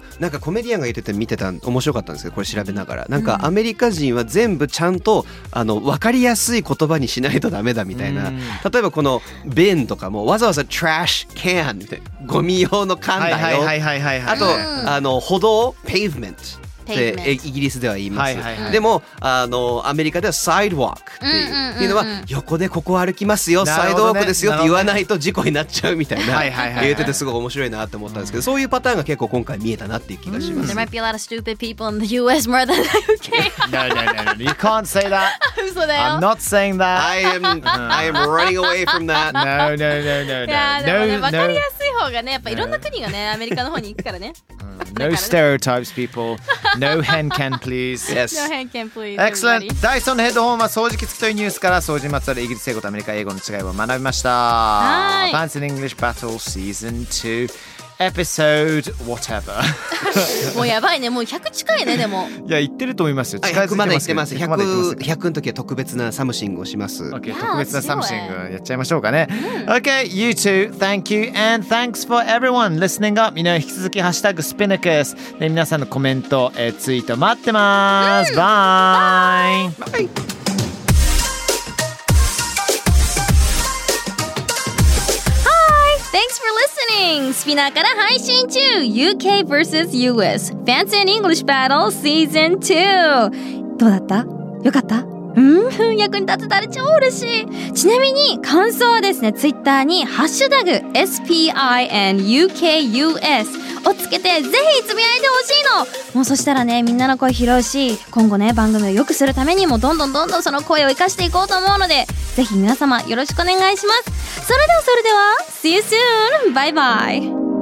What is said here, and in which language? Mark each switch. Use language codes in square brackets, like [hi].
[ja] なんかコメディアンが言ってて見てた面白かったんですけどこれ調べながらなんかアメリカ人は全部ちゃんとあの分かりやすい言葉にしないとダメだみたいな例えばこの便とかもわざわざ trash can みたいなゴミ用の缶だよあとあの歩道 pavementでイギリスでは言います、はいはいはい、でもあのアメリカでは sidewalk っていう、うんうんうん、いうのは横でここ歩きますよ、ね、サイドウォークですよって言わないと事故になっちゃうみたいな言っててすごい面白いなって思ったんですけど、うん、そういうパターンが結構今回見えたなっていう気がします、うん、 [en] There might be a lot of stupid people in the US more than the UK No, you can't say that [ja] 嘘だよ [en] I'm not saying that I am running away from that No [ja] いやでもね、分かりやすい方がねやっぱいろんな国がねアメリカの方に行くからね [en] No stereotypes, people. No hen can, please. Yes. No hen can, please. Excellent.、 Everybody. [ja] ダイソンのヘッドホンは掃除機付きというニュースから掃除にまつわるイギリス英語とアメリカ英語の違いを学びました。はい。 [en] Fancy in English Battle Season 2 Episode Whatever. [ja] もうやばいね。もう100近いね、でも。いや、言ってると思いますよ。近づいてますけど。100まで言ってます。 100の時は特別なサムシングをします。 OK、特別なサムシングやっちゃいましょうかね。 [en] うん、OK、You too. Thank you. And thanks for everyone listening up. [ja] 皆さん、引き続きハッシュタグスピナクス。で、皆さんのコメント、ツイート待ってます。 [en] うん、Bye! Bye! Thanks for listening! [ja] スピナーから配信中 UK vs. [en] US Fancy and English Battle Season 2! [ja] どうだった? よかった? うん、役に立てたら超嬉しい。ちなみに感想はですね、ツイッターにハッシュタグ SPINUKUS をつけてぜひつぶやいてほしいの。もうそしたらね、みんなの声拾うし、今後ね、番組を良くするためにもどんどんその声を生かしていこうと思うので、ぜひ皆様よろしくお願いします。それでは、 [en] See you soon! [ja] バイバイ!